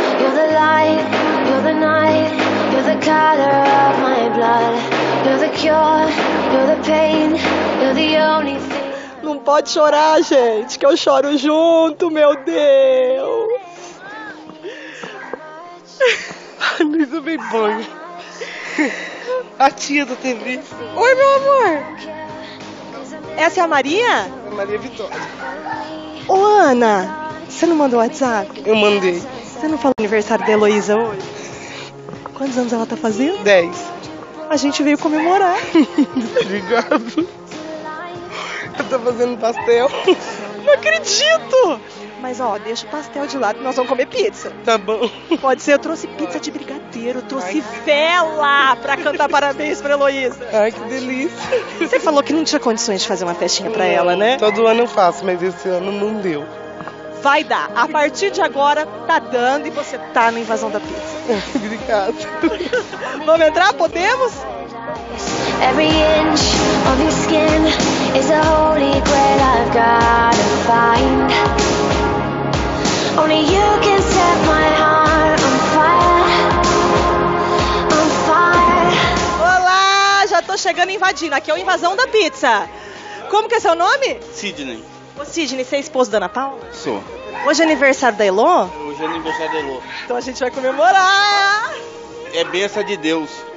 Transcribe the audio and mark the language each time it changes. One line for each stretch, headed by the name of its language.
English: You're the light, you're the night, you're the color of my blood. You're the cure, you're the pain, you're the only thing.
Portuguese: Não pode chorar, gente, que eu choro junto, meu Deus! A Luísa vem boa. A tia da TV. Oi, meu amor! Essa é a Maria? A Maria Vitória. Ô, Ana, você não mandou WhatsApp? Eu mandei. Você não falou aniversário da Heloísa hoje? Quantos anos ela tá fazendo? 10. A gente veio comemorar. Obrigado. Eu tô fazendo pastel. Não acredito! Mas, ó, deixa o pastel de lado, nós vamos comer pizza. Tá bom. Pode ser, eu trouxe pizza de brigadeiro, trouxe vela pra cantar parabéns pra Heloísa. Ai, que delícia. Você falou que não tinha condições de fazer uma festinha pra ela, né? Todo ano eu faço, mas esse ano não deu. Vai dar. A partir de agora, tá dando e você tá na invasão da pizza. Obrigado. Vamos entrar? Podemos?
English: Every inch of your skin is a holy grail I've got to find. Only you can set my heart on fire. On fire.
Portuguese: Olá, já tô chegando invadindo. Aqui é o Invasão da Pizza. Como que é seu nome? Sidney. Ô Sidney, você é esposo da Ana Paula? Sou. Hoje é aniversário da Elô? Hoje é aniversário da Elô. Então a gente vai comemorar. É bênção de Deus.